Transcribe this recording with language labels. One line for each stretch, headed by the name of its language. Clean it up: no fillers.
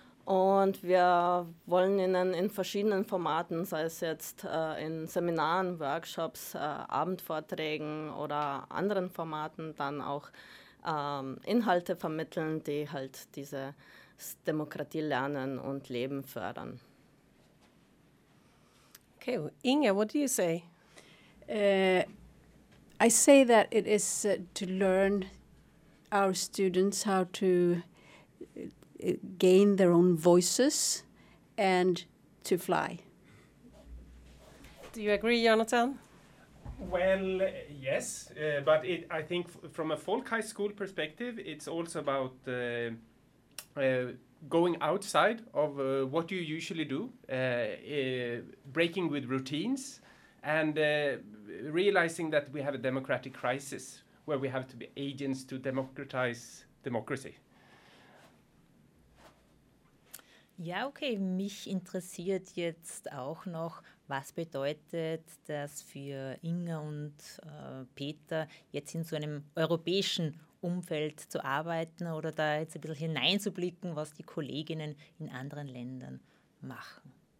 German: Und wir wollen ihnen in verschiedenen Formaten, sei es jetzt in Seminaren, Workshops, Abendvorträgen oder anderen Formaten, dann auch Inhalte vermitteln, die halt dieses Demokratielernen und Leben fördern.
English: Okay, well, Inge, what do you say? I say that it is to learn our students how to gain their own voices and to fly. Do you agree, Jonathan? Well, yes, but it, I think from a folk high school perspective, it's also about going outside of what you usually do, breaking with routines, and realizing that we have a democratic crisis where we have to be agents to democratize democracy.
German: Ja, okay, mich interessiert jetzt auch noch, was bedeutet das für Inge und Peter, jetzt in so einem europäischen Umfeld zu arbeiten oder da jetzt ein bisschen hineinzublicken, was die Kolleginnen in anderen Ländern machen.